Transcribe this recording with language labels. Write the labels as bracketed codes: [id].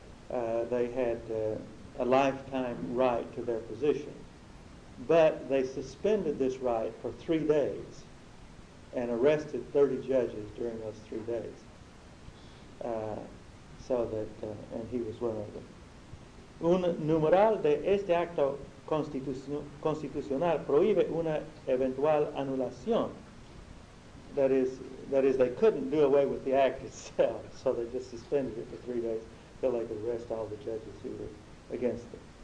[en] They had a lifetime right to their position, but they suspended this right for 3 days and arrested 30 judges during those 3 days. And he was one of them. [es] Un numeral de este acto constitucional prohíbe una eventual anulación. [en] That is, they couldn't do away with the act itself, so they just suspended it for 3 days till they could arrest all the judges who were against it.